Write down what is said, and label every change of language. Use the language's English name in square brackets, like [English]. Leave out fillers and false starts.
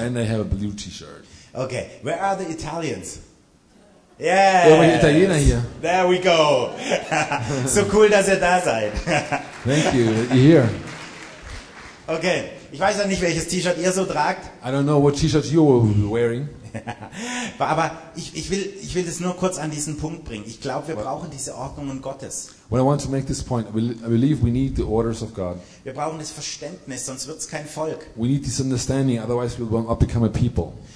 [English] Then they have a blue T-shirt. Okay, where are the Italians? Yeah. [German] Wo sind die Italiener hier? [English] There we go. So cool, [German] dass ihr da seid. [English] Thank you. You're here. Okay. [German] Ich weiß ja nicht, welches T-Shirt ihr so tragt. [English] I don't know what T-Shirt you were wearing. [German] Aber ich will das nur kurz an diesen Punkt bringen. Ich glaube, wir brauchen diese Ordnungen Gottes. [English] Well, I want to make this point. I believe we need the orders of God. [German] Wir brauchen das Verständnis, sonst wird's kein Volk. [English] We need this understanding, otherwise we will not become a people.